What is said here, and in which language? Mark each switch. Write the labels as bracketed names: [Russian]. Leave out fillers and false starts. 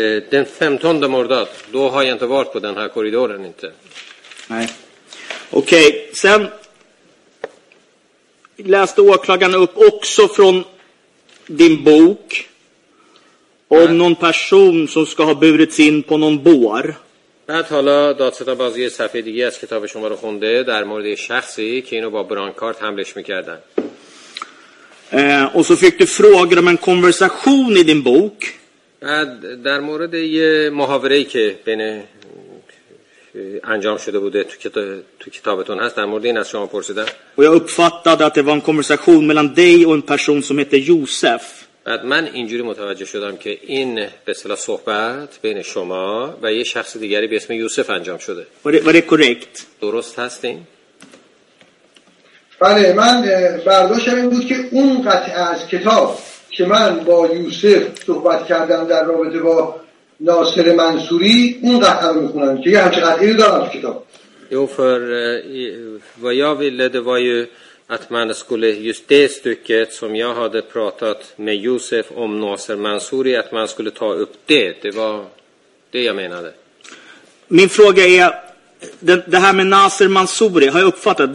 [Swedish] Den 15:e mordad, då har jag inte varit på den här korridoren inte. Nej. Okej, sen läste åklagaren upp också från din bok om någon person som ska ha burits in på någon bår. [Persian] بعد حالا دادستان باز یه صفحه دیگه از کتاب شما رو خونده در مورد شخصی که اینو با برانکارت حملش میکردن. [Swedish] Och så fick du frågor om en konversation i din bok. [Persian] بعد در مورد یه محاوره‌ای که بین انجام شده بوده تو کتابتون هست در مورد این از شما پرسیدم. و [Swedish] jag uppfattade att det var en konversation mellan dig och en person som heter Josef. [Persian] بعد من اینجوری متوجه شدم که این به اصطلاح صحبت بین شما و یه شخص دیگری به اسم یوسف انجام شده. [Swedish] Var det korrekt? [Persian] درست هستین؟ بله من برداشتم این بود که اون قطعه از کتاب که من با یوسف صحبت کردم در رابطه با ناصر منصوری اون قطعه رو میخونم که یه همچه قطعه رو دارم از کتاب. [Swedish] Jo, för vad jag ville det var ju att man skulle just det stycket som jag hade pratat med Josef om Nasser Mansouri, att man skulle ta upp det. Det var det jag menade. Min fråga är, det här med Nasser Mansouri, har jag uppfattat?